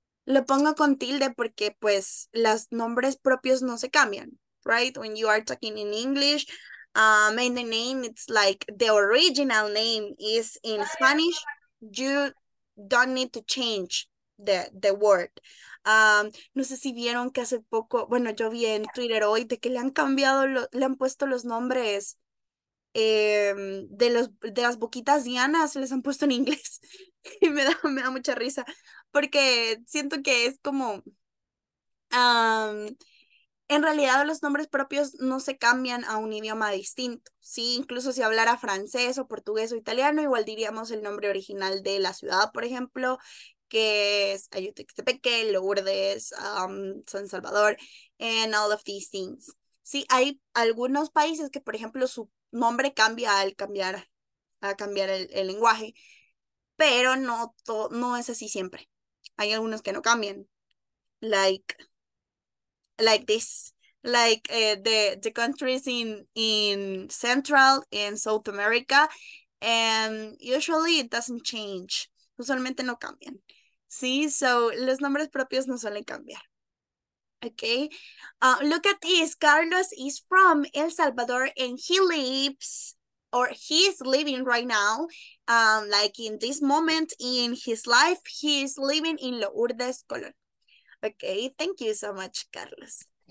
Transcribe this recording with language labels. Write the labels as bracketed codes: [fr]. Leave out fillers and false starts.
[es] Lo pongo con tilde porque, pues, los nombres propios no se cambian, right? [en] When you are talking in English, and the name, it's like the original name is in Spanish, you don't need to change the word. [es] No sé si vieron que hace poco, bueno, yo vi en Twitter hoy de que le han puesto los nombres de las boquitas Diana, se les han puesto en inglés. Y me da mucha risa. Porque siento que es como, en realidad los nombres propios no se cambian a un idioma distinto, ¿sí? Incluso si hablara francés o portugués o italiano, igual diríamos el nombre original de la ciudad, por ejemplo, que es Ayutuxtepeque, Lourdes, San Salvador, [en] and all of these things. [es] Sí, hay algunos países que, por ejemplo, su nombre cambia al cambiar el lenguaje, pero no es así siempre. Hay algunos que no cambian, [en] like the countries in Central and South America, and usually it doesn't change. [es] Usualmente no cambian, ¿sí? So, los nombres propios no suelen cambiar, okay? [en] Look at this, Carlos is from El Salvador, and he's living right now, like in this moment in his life, he's living in Lourdes, Colón. Okay, thank you so much, Carlos.